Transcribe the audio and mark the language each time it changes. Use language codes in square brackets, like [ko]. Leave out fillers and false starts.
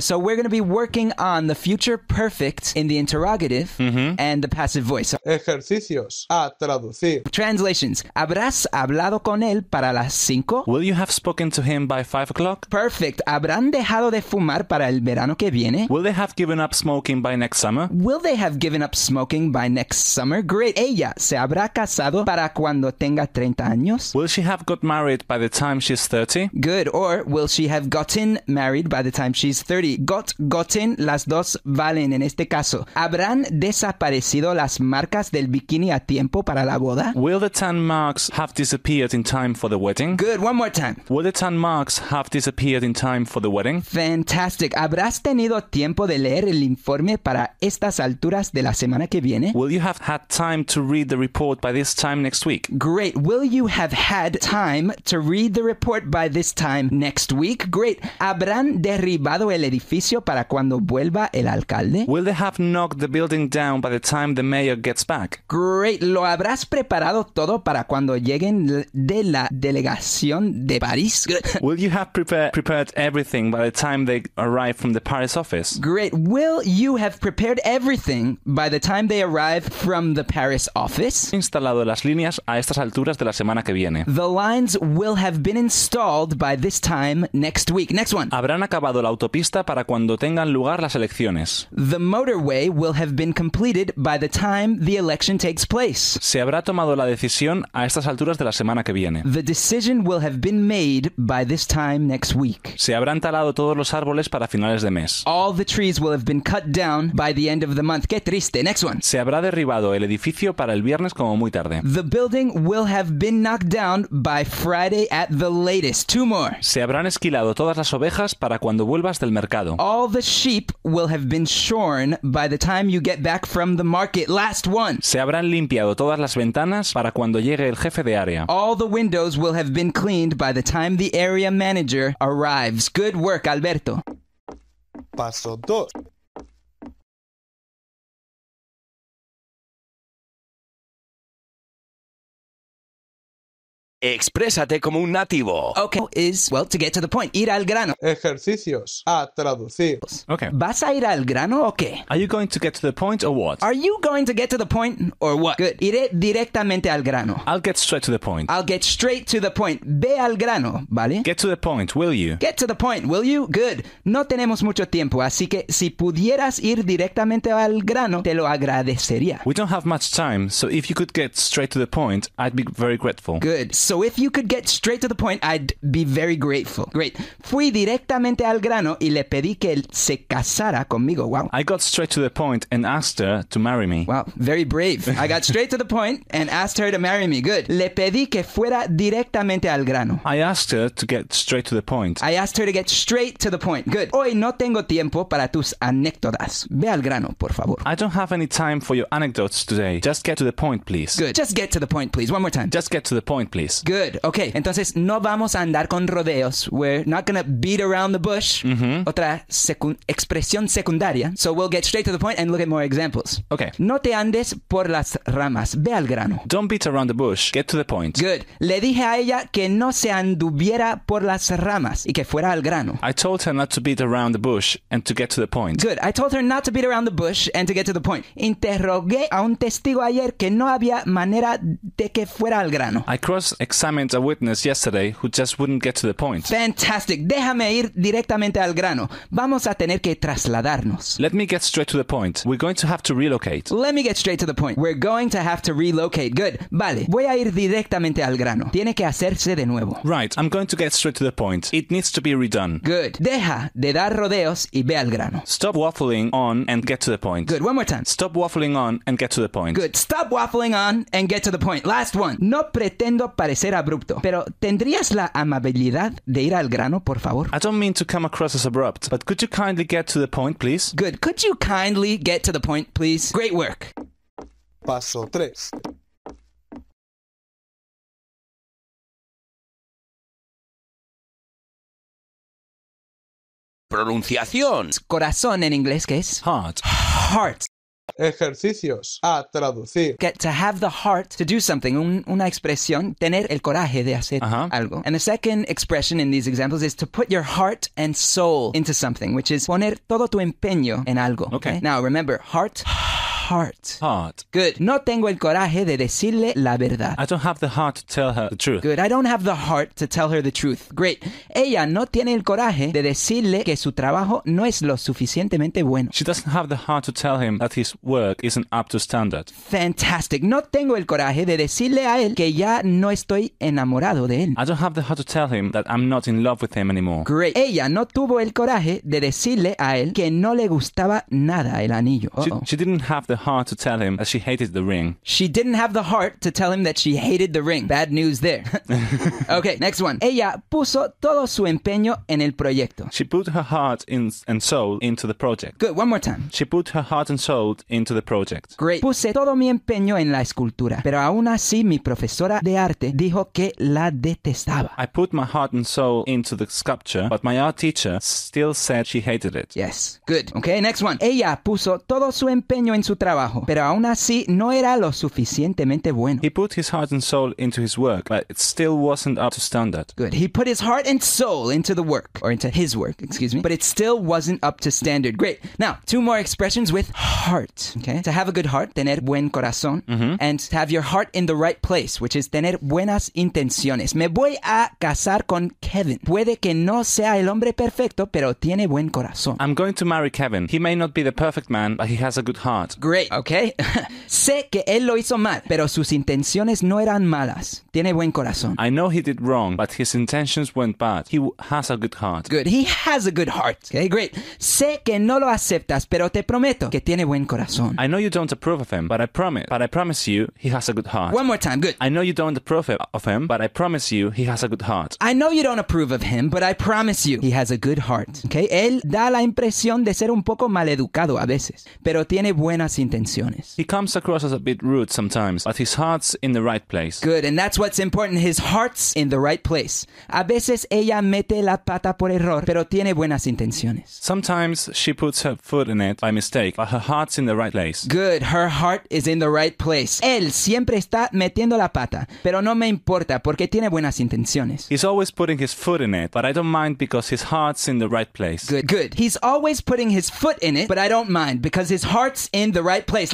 [en] So we're going to be working on the future perfect in the interrogative and the passive voice. [es] Ejercicios a traducir. Translations. ¿Habrás hablado con él para las 5? [en] Will you have spoken to him by 5 o'clock? Perfect. [es] ¿Habrán dejado de fumar para el verano que viene? [en] Will they have given up smoking by next summer? Will they have given up smoking by next summer? Great. [es] ¿Ella se habrá casado para cuando tenga 30 años? [en] Will she have got married by the time she's 30? Good. Or will she have gotten married by the time she's 30? [es] Got, gotten, las dos valen en este caso. ¿Habrán desaparecido las marcas del bikini a tiempo para la boda? [en] Will the tan marks have disappeared in time for the wedding? Good, one more time. Will the tan marks have disappeared in time for the wedding? Fantastic. [es] ¿Habrás tenido tiempo de leer el informe para estas alturas de la semana que viene? [en] Will you have had time to read the report by this time next week? Great. Will you have had time to read the report by this time next week? Great. [es] ¿Habrán derribado el edificio para cuando vuelva el alcalde? [en] Will they have knocked the building down by the time the mayor gets back? Great. [es] ¿Lo habrás preparado todo para cuando lleguen de la delegación de París? [en] Will you have prepared everything by the time they arrive from the Paris office? Great. Will you have prepared everything by the time they arrive from the Paris office? [es] Instalado las líneas a estas alturas de la semana que viene. [en] The lines will have been installed by this time next week. Next one. [es] Habrán acabado la autopista para cuando tengan lugar las elecciones. [en] The motorway will have been completed by the time the election takes place. [es] Se habrá tomado la decisión a estas alturas de la semana que viene. [en] The decision will have been made by this time next week. [es] Se habrán talado todos los árboles para finales de mes. [en] All the trees will have been cut down by the end of the month. [es] Qué triste. [en] Next one. [es] Se habrá derribado el edificio para el viernes como muy tarde. [en] The building will have been knocked down by Friday at the latest. Two more. [es] Se habrán esquilado todas las ovejas para cuando vuelvas del mercado. [en] All the sheep will have been shorn by the time you get back from the market. Last one. [es] Se habrán limpiado todas las ventanas para cuando llegue el jefe de área. [en] All the windows will have been cleaned by the time the area manager arrives. Good work, Alberto. [es] Paso 2. Exprésate como un nativo. [en] Okay, is, well, to get to the point, [es] ir al grano. Ejercicios a traducir. [en] Okay. [es] ¿Vas a ir al grano o qué? [en] Are you going to get to the point or what? Are you going to get to the point or what? [es] Good. Iré directamente al grano. [en] I'll get straight to the point. I'll get straight to the point. [es] Ve al grano, ¿vale? [en] Get to the point, will you? Get to the point, will you? Good. [es] No tenemos mucho tiempo, así que si pudieras ir directamente al grano, te lo agradecería. [en] We don't have much time, so if you could get straight to the point, I'd be very grateful. Good. So if you could get straight to the point, I'd be very grateful. Great. [es] Fui directamente al grano y le pedí que él se casara conmigo. [en] Wow. I got straight to the point and asked her to marry me. Wow, very brave. I got straight to the point and asked her to marry me. [es] Good. Le pedí que fuera directamente al grano. [en] I asked her to get straight to the point. I asked her to get straight to the point. [es] Good. Hoy no tengo tiempo para tus anécdotas. Ve al grano, por favor. [en] I don't have any time for your anecdotes today. Just get to the point, please. Good. Just get to the point, please. One more time. Just get to the point, please. Good. Okay. [es] Entonces, no vamos a andar con rodeos. [en] We're not gonna beat around the bush. Mm-hmm. [es] Otra expresión secundaria. [en] So we'll get straight to the point and look at more examples. Okay. [es] No te andes por las ramas. Ve al grano. [en] Don't beat around the bush. Get to the point. Good. [es] Le dije a ella que no se anduviera por las ramas y que fuera al grano. [en] I told her not to beat around the bush and to get to the point. Good. I told her not to beat around the bush and to get to the point. [es] Interrogué a un testigo ayer que no había manera de que fuera al grano. [en] Examined a witness yesterday who just wouldn't get to the point. [es] Fantastic. Déjame ir directamente al grano. Vamos a tener que trasladarnos. [en] Let me get straight to the point. We're going to have to relocate. Let me get straight to the point. We're going to have to relocate. Good. Vale. [es] Voy a ir directamente al grano. Tiene que hacerse de nuevo. [en] Right. I'm going to get straight to the point. It needs to be redone. Good. [es] Deja de dar rodeos y ve al grano. [en] Stop waffling on and get to the point. Good. One more time. Stop waffling on and get to the point. Good. Stop waffling on and get to the point. Last one. [es] No pretendo parecer abrupto, pero ¿tendrías la amabilidad de ir al grano, por favor? [en] I don't mean to come across as abrupt, but could you kindly get to the point, please? Good. Could you kindly get to the point, please? Great work. [es] Paso 3. pronunciación. Corazón en inglés, ¿qué es? [en] Heart. Heart. [es] Ejercicios a traducir. [en] Get to have the heart to do something. [es] Una expresión, tener el coraje de hacer algo. [en] And the second expression in these examples is to put your heart and soul into something, which is [es] poner todo tu empeño en algo. [en] Okay. Now remember, heart. Heart. Heart. Good. [es] No tengo el coraje de decirle la verdad. [en] I don't have the heart to tell her the truth. Good. I don't have the heart to tell her the truth. Great. [es] Ella no tiene el coraje de decirle que su trabajo no es lo suficientemente bueno. [en] She doesn't have the heart to tell him that his work isn't up to standard. Fantastic. [es] No tengo el coraje de decirle a él que ya no estoy enamorado de él. [en] I don't have the heart to tell him that I'm not in love with him anymore. Great. [es] Ella no tuvo el coraje de decirle a él que no le gustaba nada el anillo. [en] She didn't have the heart to tell him that she hated the ring. She didn't have the heart to tell him that she hated the ring. Bad news there. Okay, next one. [es] Ella puso todo su empeño en el proyecto. [en] She put her heart and soul into the project. Good, one more time. She put her heart and soul into the project. Great. [es] Puse todo mi empeño en la escultura, pero aún así mi profesora de arte dijo que la detestaba. [en] I put my heart and soul into the sculpture, but my art teacher still said she hated it. Yes, good. Okay, next one. [es] Ella puso todo su empeño en su trabajo, pero aún así no era lo suficientemente bueno. [en] He put his heart and soul into his work, but it still wasn't up to standard. Good. He put his heart and soul into the work, or into his work, excuse me, but it still wasn't up to standard. Great. Now, two more expressions with heart, okay? To have a good heart, [es] tener buen corazón, [en] and to have your heart in the right place, which is [es] tener buenas intenciones. Me voy a casar con Kevin. Puede que no sea el hombre perfecto, pero tiene buen corazón. [en] I'm going to marry Kevin. He may not be the perfect man, but he has a good heart. Great, okay. [es] Sé que él lo hizo mal, pero sus intenciones no eran malas. Tiene buen corazón. [en] I know he did wrong, but his intentions weren't bad. He has a good heart. Good, he has a good heart. Okay, great. [es] Sé que no lo aceptas, pero te prometo que tiene buen corazón. [en] I know you don't approve of him, but I promise you he has a good heart. One more time, good. I know you don't approve of him, but I promise you he has a good heart. I know you don't approve of him, but I promise you he has a good heart. [es] Okay, él da la impresión de ser un poco maleducado a veces, pero tiene buenas intenciones. [en] He comes across as a bit rude sometimes, but his heart's in the right place. Good, and that's what's important. His heart's in the right place. [es] A veces ella mete la pata por error, pero tiene buenas intenciones. [en] Sometimes she puts her foot in it by mistake, but her heart's in the right place. Good, her heart is in the right place. [es] Él siempre está metiendo la pata, pero no me importa porque tiene buenas intenciones. [en] He's always putting his foot in it, but I don't mind because his heart's in the right place. Good, good. He's always putting his foot in it, but I don't mind because his heart's in the right place.